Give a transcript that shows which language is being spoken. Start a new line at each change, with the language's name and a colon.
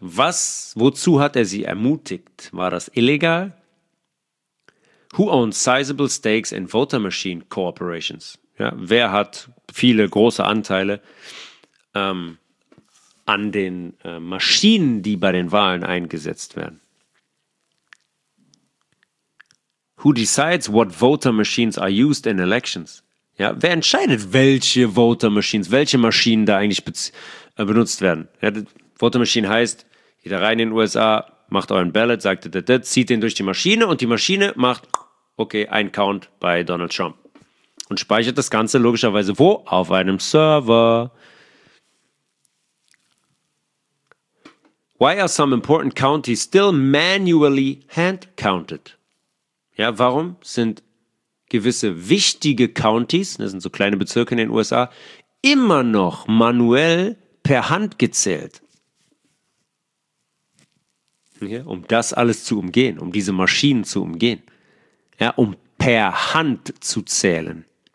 German: Wozu hat er sie ermutigt? War das illegal?
English: Who owns sizable stakes in voter machine corporations?
German: Ja, wer hat viele große Anteile an den Maschinen, die bei den Wahlen eingesetzt werden?
English: Who decides what voter machines are used in elections?
German: Ja, wer entscheidet, welche
English: voter machines,
German: welche Maschinen da eigentlich benutzt werden? Ja, voter machine heißt, geht da rein in den USA, macht euren Ballot, sagt, zieht den durch die Maschine und die Maschine macht... Okay, ein Count bei Donald Trump. Und speichert das Ganze logischerweise wo? Auf einem Server.
English: Why are some important counties still manually hand-counted?
German: Ja, warum sind gewisse wichtige Counties, das sind so kleine Bezirke in den USA, immer noch manuell per Hand gezählt? ja, um das alles zu umgehen, um diese Maschinen zu umgehen, ja, um per Hand zu zählen.